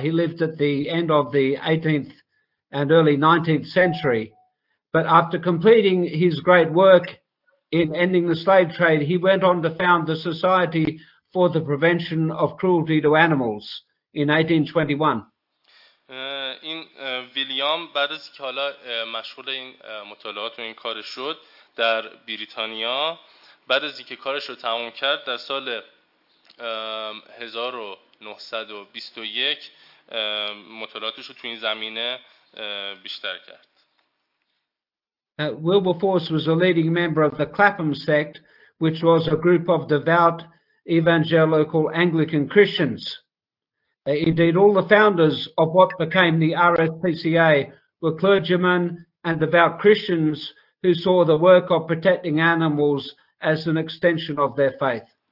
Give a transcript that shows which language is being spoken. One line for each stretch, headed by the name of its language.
English: He lived at the end of the 18th and early 19th century. But after completing his great work in ending the slave trade, he went on to found the Society for the Prevention of Cruelty to Animals in 1821.
Persian: این ویلیام بعد از که حالا مشغول این مطالعات و این کار شد در بریتانیا، بعد از اینکه کارش رو تموم کرد در سال 1921 مطالعاتش رو تو این زمینه بیشتر کرد.
English: Wilberforce was a leading member of the Clapham sect, which was a group of devout evangelical Anglican Christians. Indeed, all the founders of what became the RSPCA were clergymen and devout Christians who saw the work of protecting animals as an extension of their faith.